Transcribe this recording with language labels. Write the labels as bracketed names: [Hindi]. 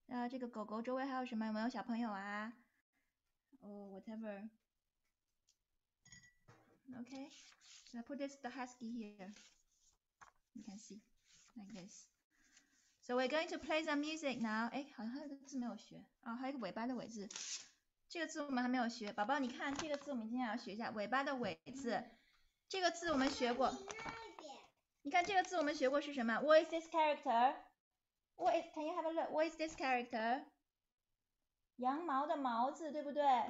[Chinese] 这个狗狗周围还有什么？有没有小朋友啊？ [English] whatever。 OK， so I put this the husky here. You can see like this. So we're going to play some music now. [Chinese] 哎，好像还有个字没有学啊，还有个尾巴的尾字。这个字我们还没有学，宝宝，你看这个字我们今天要学一下，尾巴的尾字。这个字我们学过。你看这个字我们学过是什么 ？ [English] What is this character？ What is? Can you have a look? What is this character? [Chinese] 羊毛的毛字，对不对？